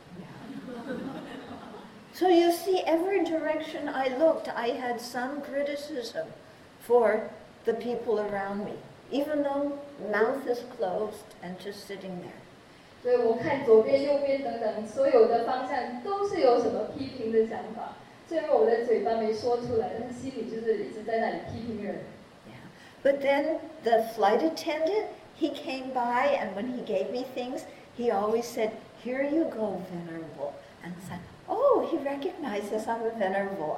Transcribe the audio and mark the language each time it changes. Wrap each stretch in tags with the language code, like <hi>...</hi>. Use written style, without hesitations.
<zh>然后还抱着婴儿，让他的婴儿这样吸收到那种暴力的情面。我心里就想，你这个父亲真的是做得很差。So</zh> <en>you see, every direction I looked, I had some criticism for the people around me, even though mouth is closed and just sitting there.</en> <zh>所以我看左边、右边等等，所有的方向都是有什么批评的想法。</zh> <en>But then the flight attendant, he came by, and when he gave me things, he always said, here you go, venerable. And said, oh, he recognizes I'm a venerable.</en>